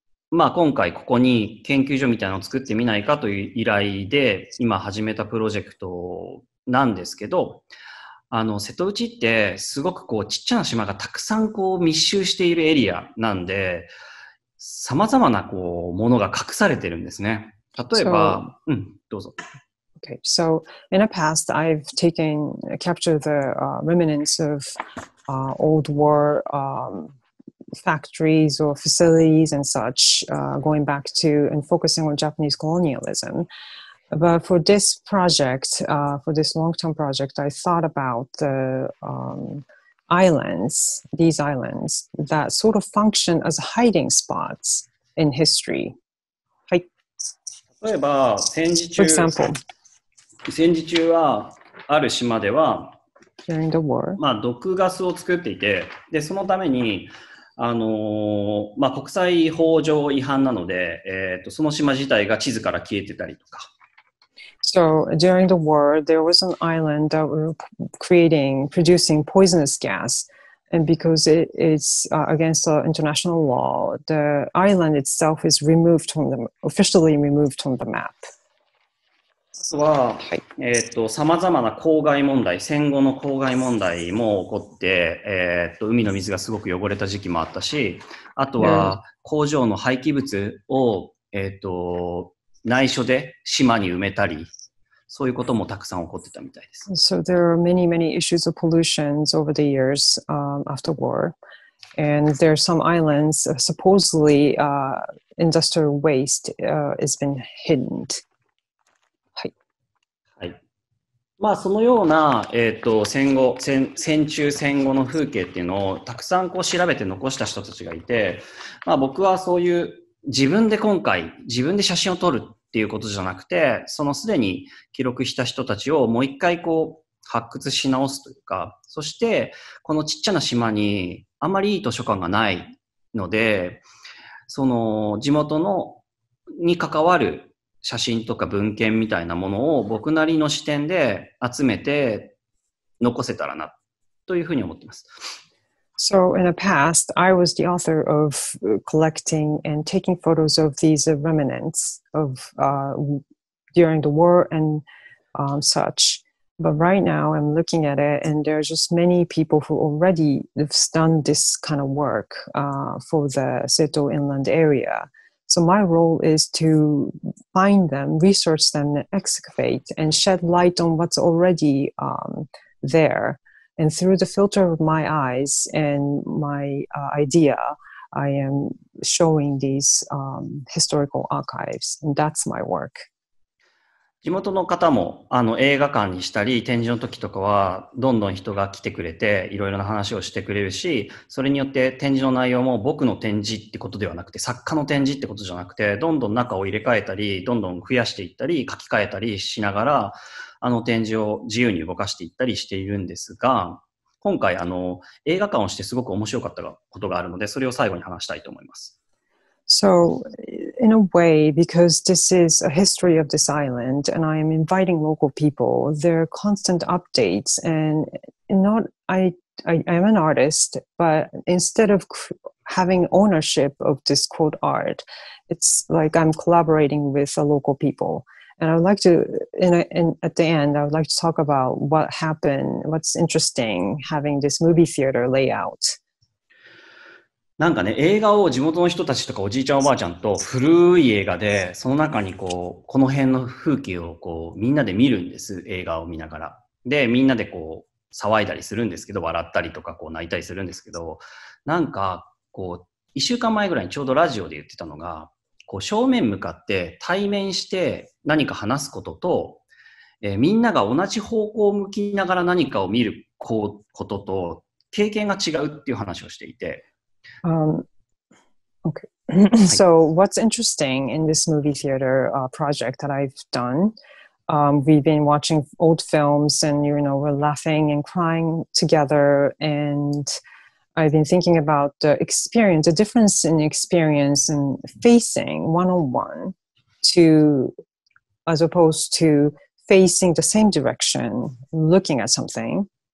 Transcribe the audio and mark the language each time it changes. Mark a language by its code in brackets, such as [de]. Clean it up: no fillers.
[ja] まあ、今回ここに研究所みたいなのを作ってみないかという依頼で今始めたプロジェクトなんですけど、瀬戸内ってすごくこうちっちゃな島がたくさんこう密集しているエリアなんで、さまざまなこうものが隠されてるんですね。例えば、so, どうぞ。 [en] Okay, so in the past I've taken captured the remnants of old war factories or facilities and such, going back to and focusing on Japanese colonialism. But for this project, for this long-term project, I thought about the islands, these islands that sort of function as hiding spots in history. [ja] はい。例えば、戦時中、 [en] for example, [ja] 戦時中はある島では、 [en] during the war, [ja] まあ、毒ガスを作っていて、で、そのためにまあ、国際法上違反なので、その島自体が地図から消えてたりとか。 [en] So, during the war, there was an island that were creating, producing poisonous gas. And because it's against the international law, the island itself is removed from the, officially removed from the map. [ja] は、様々な公害問題、戦後の公害問題も起こって、海の水がすごく汚れた時期もあったし、あとは工場の廃棄物を、内緒で島に埋めたり、そういうこともたくさん起こってたみたいです。 [en] So there are many, many issues of pollution over the years, after war. And there are some islands, supposedly industrial waste has been hidden. [ja] はい。はい。まあ、そのような、戦後、戦中戦後の風景っていうのをたくさんこう調べて残した人たちがいて、まあ、僕はそういう自分で今回、自分で写真を撮るっていうことじゃなくて、そのすでに記録した人たちをもう一回こう発掘し直すというか、そしてこのちっちゃな島にあまりいい図書館がないので、その地元のに関わる写真とか文献みたいなものを僕なりの視点で集めて残せたらなというふうに思っています。 [en] So in the past, I was the author of collecting and taking photos of these remnants of during the war and such. But right now, I'm looking at it, and there are just many people who already have done this kind of work for the Seto Inland area. So my role is to find them, research them, excavate, and shed light on what's already there. And through the filter of my eyes and my idea, I am showing these historical archives, and that's my work. [ja] 地元の方も映画館にしたり展示の時とかはどんどん人が来てくれていろいろな話をしてくれるし、それによって展示の内容も僕の展示ってことではなくて作家の展示ってことじゃなくて、どんどん中を入れ替えたりどんどん増やしていったり書き換えたりしながら、あの展示を自由に動かしていったりしているんですが、今回映画館をしてすごく面白かったことがあるので、それを最後に話したいと思います。 [en] So, in a way, because this is a history of this island, and I am inviting local people, there are constant updates, and not, I am an artist, but instead of having ownership of this quote art, it's like I'm collaborating with the local people. And I would like to, at the end, I would like to talk about what happened, what's interesting, having this movie theater layout. [ja] なんかね、映画を地元の人たちとかおじいちゃんおばあちゃんと古い映画で、その中にこう、この辺の風景をこう、みんなで見るんです、映画を見ながら。で、みんなでこう、騒いだりするんですけど、笑ったりとかこう、泣いたりするんですけど、なんかこう、一週間前ぐらいにちょうどラジオで言ってたのが、こう正面向かって対面して何か話すことと、みんなが同じ方向を向きながら何かを見ることと経験が違うっていう話をしていて、 [en] Okay. So what's interesting in this movie theater project that I've done? We've been watching old films and you know we're laughing and crying together andI've been thinking about the experience, the difference in experience and facing one-on-one to, as opposed to facing the same direction, looking at something.